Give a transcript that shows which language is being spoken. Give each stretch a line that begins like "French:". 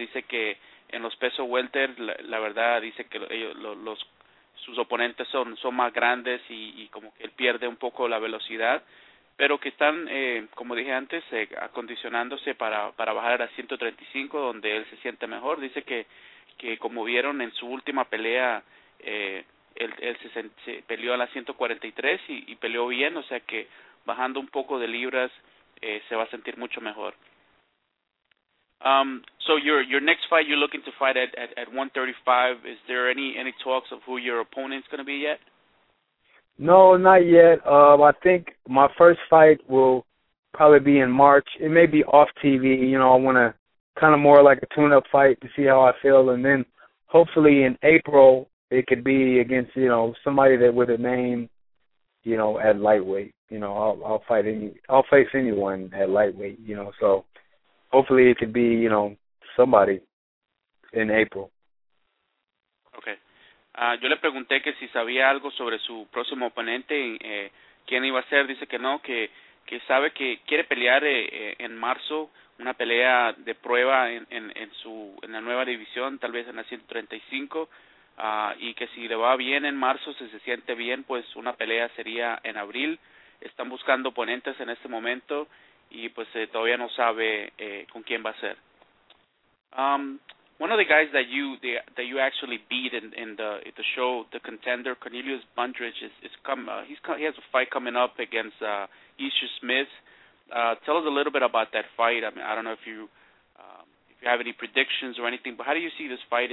Spanish: Dice que en los pesos welter, la verdad, dice que sus oponentes son más grandes y como que él pierde un poco la velocidad, pero que están, como dije antes, acondicionándose para bajar a 135, donde él se siente mejor. Dice que como vieron en su última pelea, él se peleó a la 143 y peleó bien, o sea que bajando un poco de libras se va a sentir mucho mejor.
English: So your next fight, you're looking to fight at 135. Is there any talks of who your opponent's going to be yet? No, not yet. I think my first fight will probably be in March. It may be off TV. You know, I want to kind of more like a tune-up fight to see how I feel. And then hopefully in April, it could be against, you know, somebody that with a name, you know, at lightweight. You know, I'll face anyone at lightweight, you know. So hopefully it could be, you know, somebody in April.
Spanish: Yo le pregunté que si sabía algo sobre su próximo oponente, quién iba a ser. Dice que no, que sabe que quiere pelear en marzo, una pelea de prueba en la nueva división, tal vez en la 135, y que si le va bien en marzo, si se siente bien, pues una pelea sería en abril. Están buscando oponentes en este momento y pues todavía no sabe con quién va a ser.
English: One of the guys that you actually beat in the show, the contender Cornelius Bundrich, he has a fight coming up against Ishii Smith. Tell us a little bit about that fight. I mean, I don't know if you have any predictions or anything, but how do you see this fight?